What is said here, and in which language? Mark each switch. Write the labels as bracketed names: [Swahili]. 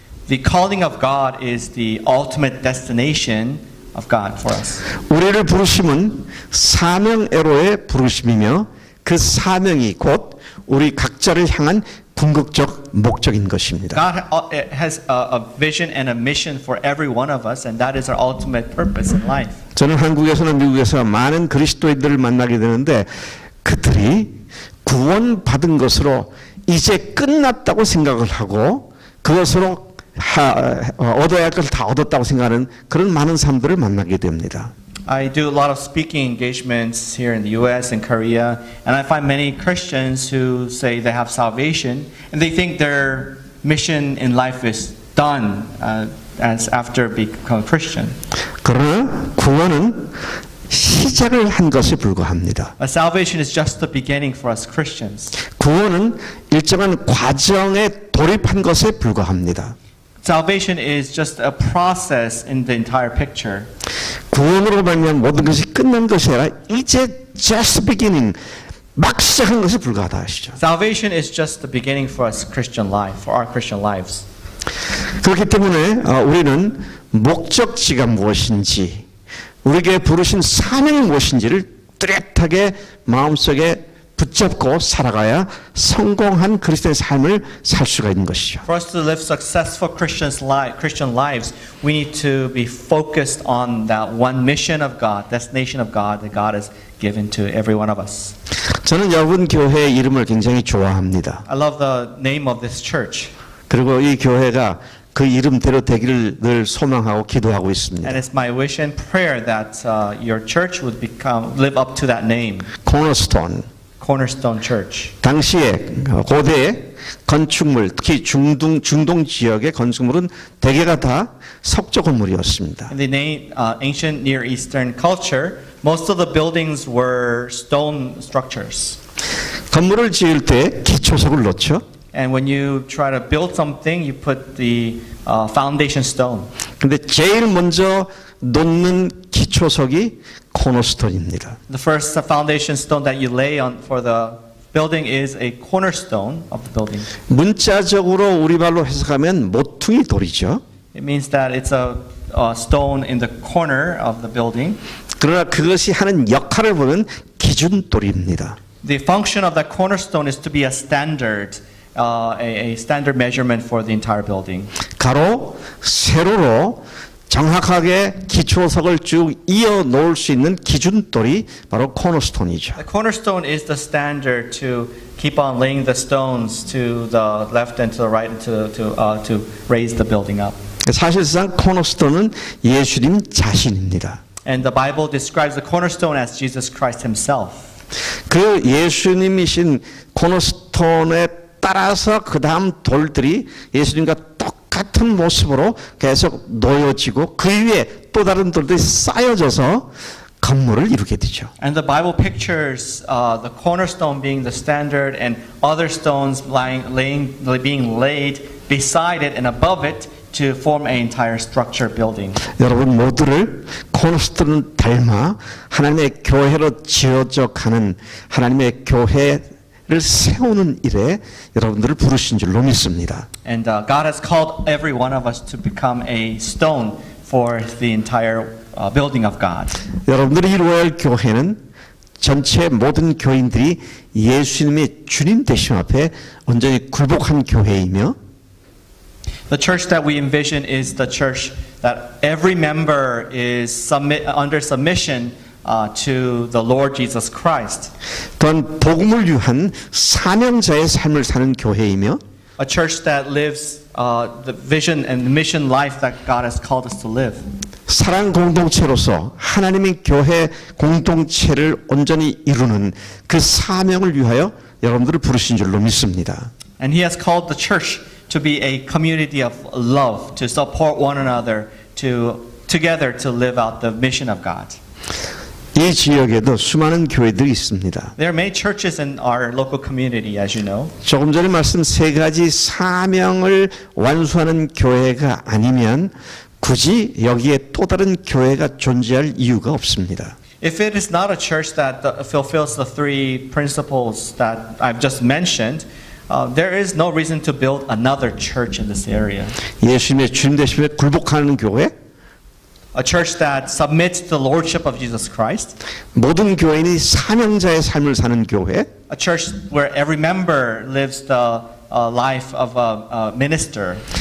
[English] The calling of God is the ultimate destination. Of God for us. [Korean] 우리를 부르심은 사명 에로의 부르심이며 그 사명이 곧 우리 각자를 향한 궁극적 목적인 것입니다. [English] God has a vision and a mission for every one of us, and that is our ultimate purpose in life. [Korean] 저는 한국에서는 미국에서 많은 그리스도인들을 만나게 되는데 그들이 구원 받은 것으로 이제 끝났다고 생각을 하고 그것으로 얻어야 할 것을 다 얻었다고 생각하는 그런 많은 사람들을 만나게 됩니다. [English] I do a lot of speaking engagements here in the U.S. and Korea, and I find many Christians who say they have salvation and they think their mission in life is done as after become a Christian. [Korean] 그러나 구원은 시작을 한 것에 불과합니다. [English] But salvation is just the beginning for us Christians. [Korean] 구원은 일정한 과정에 돌입한 것에 불과합니다. [English] Salvation is just a process in the entire picture. [Korean] 구원으로 말미암아 모든 것이 끝난 것이 아니라 이제 [English] just beginning, [Korean] 막 시작한 것에 불과하다 하시죠. [English] Salvation is just the beginning for us Christian life, for our Christian lives. [Korean] 그렇기 때문에 우리는 목적지가 무엇인지, 우리에게 부르신 사명이 무엇인지를 뚜렷하게 마음속에 붙잡고 살아가야 성공한 그리스도의 삶을 살 수가 있는 것이죠. [English] For us to live successful Christian lives, we need to be focused on that one mission of God, destination of God that God has given to every one of us. [Korean] 저는 여분 교회의 이름을 굉장히 좋아합니다. [English] I love the name of this church. [Korean] 그리고 이 교회가 그 이름대로 되기를 늘 소망하고 기도하고 있습니다. [English] And it's my wish and prayer that your church would become live up to that name. Cornerstone. Cornerstone Church. [Korean] 당시에 고대 건축물, 특히 중동 지역의 건축물은 대개가 다 석조 건물이었습니다. [English] In the ancient Near Eastern culture, most of the buildings were stone structures. [Korean] 건물을 지을 때 기초석을 넣죠. [English] And when you try to build something, you put the foundation stone. [Korean] 근데 제일 먼저 놓는 기초석이 코너스톤입니다. [English] The first foundation stone that you lay on for the building is a cornerstone of the building. [Korean] 문자적으로 우리말로 해석하면 모퉁이 돌이죠. [English] It means that it's a stone in the corner of the building. [Korean] 그러나 그것이 하는 역할을 보는 기준돌입니다. [English] The function of the cornerstone is to be a standard. A standard measurement for the entire building. [Korean] 가로, 세로로 정확하게 기초석을 쭉 이어 놓을 수 있는 기준돌이 바로 코너스톤이죠. [English] The cornerstone is the standard to keep on laying the stones to the left and to the right and to raise the building up. [Korean] 사실상 코너스톤은 예수님 자신입니다. [English] And the Bible describes the cornerstone as Jesus Christ Himself. [Korean] 그 예수님이신 코너스톤의 따라서 그 다음 돌들이 예수님과 똑같은 모습으로 계속 놓여지고 그 위에 또 다른 돌들이 쌓여져서 건물을 이루게 되죠. [English] And the Bible pictures the cornerstone being the standard and other stones being laid beside it and above it to form an entire structure building. [Korean] 여러분 모두를 코너스톤 닮아 하나님의 교회로 지어져 가는 하나님의 교회 를 세우는 일에 여러분들을 부르신 줄로 믿습니다. [English] And God has called every one of us to become a stone for the entire building of God. [Korean] 여러분들이 이루어야 할 교회는 전체 모든 교인들이 예수님의 주님 되심 앞에 온전히 굴복한 교회이며 [English] The church that we envision is the church that every member is under submission to the Lord Jesus Christ. [Korean] 또한 복음을 위한 사명자의 삶을 사는 교회이며, [English] a church that lives the vision and the mission life that God has called us to live. [Korean] 사랑 공동체로서 하나님의 교회 공동체를 온전히 이루는 그 사명을 위하여 여러분들을 부르신 줄로 믿습니다. [English] And He has called the church to be a community of love, to support one another, to together to live out the mission of God. [Korean] 이 지역에도 수많은 교회들이 있습니다. [English] There are many churches in our local community, as you know. [Korean] 조금 전에 말씀 세 가지 사명을 완수하는 교회가 아니면 굳이 여기에 또 다른 교회가 존재할 이유가 없습니다. [English] If it is not a church that fulfills the three principles that I've just mentioned, there is no reason to build another church in this area. [Korean] 예수님의 주님 되심에 굴복하는 교회. [English] A church that submits to the lordship of Jesus Christ. [Korean] 모든 교인이 사명자의 삶을 사는 교회. [English] A church where every member lives the life of a minister.